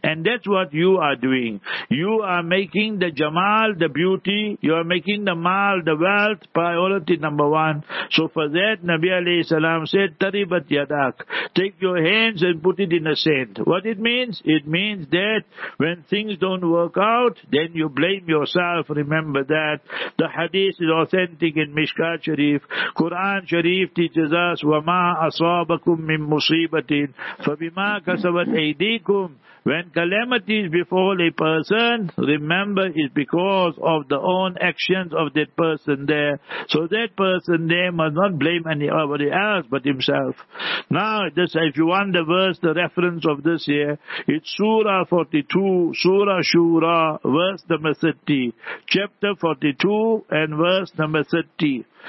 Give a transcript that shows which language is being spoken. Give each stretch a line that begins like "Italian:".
English: And that's what you are doing. You are making the jamal, the beauty, you are making the mal, the wealth, priority number one. So for that, Nabi alayhi salam said, taribat yadak, take your hands and put it in the sand. What it means? It means that when things don't work out, then you blame yourself. Remember that. The hadith is authentic in Mishkat Sharif. Quran Sharif teaches us,
Arabic: وَمَا أَصَابَكُمْ مِنْ مُصِيبَةٍ فَبِمَا كَسَبَتْ أَيْدِيكُمْ.
English: When calamities befall a person, remember it's because of the own actions of that person there. So that person there must not blame anybody else but himself. Now, this, if you want the verse, the reference of this here, it's Surah 42, Surah Shura, verse number 30, chapter 42 and verse number 30.